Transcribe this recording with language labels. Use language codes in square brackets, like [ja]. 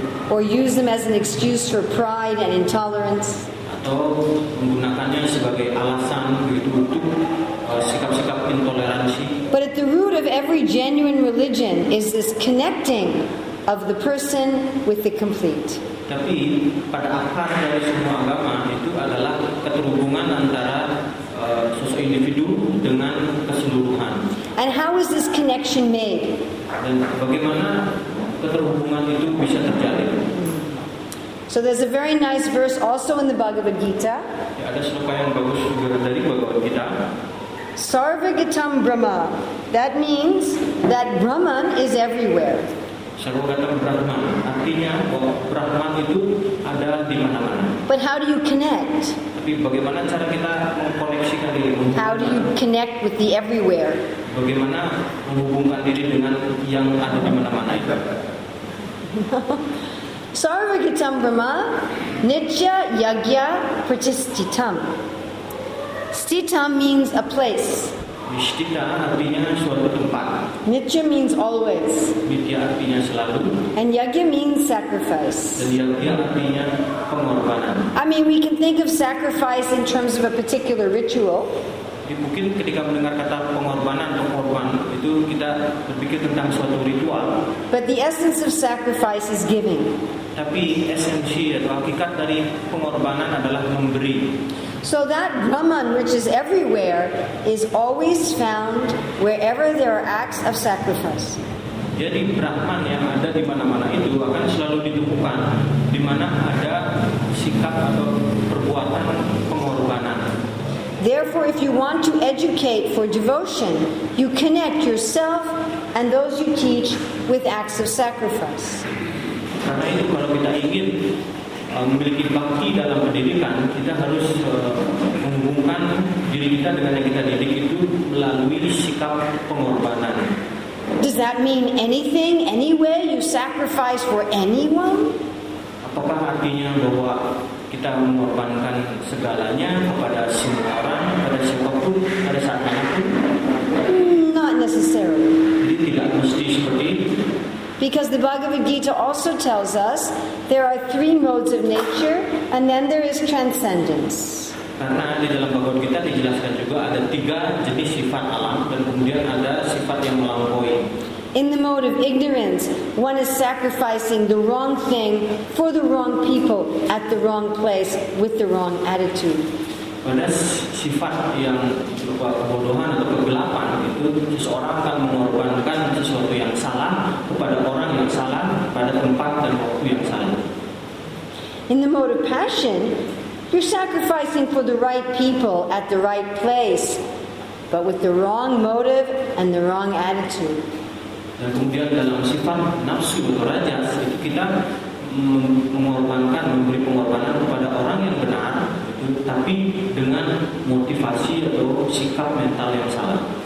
[en] Or use them as an excuse for pride and intolerance. [id] Atau menggunakannya sebagai alasan begitu untuk sikap-sikap intoleransi. [en] But at the root of every genuine religion is this connecting of the person with the complete. [id] Tapi pada akar dari semua agama itu adalah keterhubungan antara sosok individu dengan keseluruhan. [en] And how is this connection made? [id] Dan bagaimana keterhubungan itu bisa terjadi? [en] So there's a very nice verse also in the Bhagavad Gita. [id] Ya, ada sloka yang bagus juga dari Bhagavad Gita. [sa] Sarvagatam Brahma. [en] That means that Brahman is everywhere. [sa] Sarvagatam Brahma. [id] Artinya bahwa Brahman itu ada di mana-mana. [en] But how do you connect? [id] Tapi bagaimana cara kita mengkoneksikan diri? [en] How do you connect with the everywhere? [id] Bagaimana menghubungkan diri dengan yang ada di mana-mana itu? [sa] Sarvagatam Brahma Nitya Yagya Pratisthitam. [en] Sthitam means a place. [id] Nishtita artinya suatu tempat. [en] Nitya means always. [id] Nitya artinya selalu. [en] And Yagya means sacrifice. [id] Dan Yagya artinya pengorbanan. [en] I mean, we can think of sacrifice in terms of a particular ritual. [id] Mungkin ketika mendengar kata pengorbanan atau korban itu kita berpikir tentang suatu ritual. [en] But the essence of sacrifice is giving. [id] Tapi esensi atau hakikat dari pengorbanan adalah memberi. [en] So that Brahman which is everywhere is always found wherever there are acts of sacrifice. [id] Jadi Brahman yang ada di mana-mana itu akan selalu ditemukan di mana ada sikap atau perbuatan pengorbanan. [en] Therefore, if you want to educate for devotion, you connect yourself and those you teach with acts of sacrifice. [id] Karena itu, kalau kita ingin memiliki bakti dalam pendidikan, kita harus menghubungkan diri kita dengan yang kita didik itu melalui sikap pengorbanan. [en] Does that mean anything, anywhere you sacrifice for anyone? [id] Apakah artinya bahwa kita mengorbankan segalanya kepada semua orang, pada siapapun, pada saat itu? [en] Not necessarily. [id] Jadi tidak mesti seperti itu. [en] Because the Bhagavad Gita also tells us there are three modes of nature, and then there is transcendence. [id] Karena di dalam Bhagavad Gita dijelaskan juga ada tiga jenis sifat alam dan kemudian ada sifat yang melampaui. [en] In the mode of ignorance, one is sacrificing the wrong thing for the wrong people at the wrong place with the wrong attitude. [id] Pada sifat yang berupa kebodohan atau kegelapan itu seseorang akan mengorbankan sesuatu yang salah kepada orang yang salah pada tempat dan waktu yang salah. [en] In the mode of passion, you're sacrificing for the right people at the right place, but with the wrong motive and the wrong attitude. [id] Dan kemudian dalam sifat nafsu atau rajas itu kita memberi pengorbanan kepada orang yang benar, tapi dengan motivasi atau sikap mental yang salah.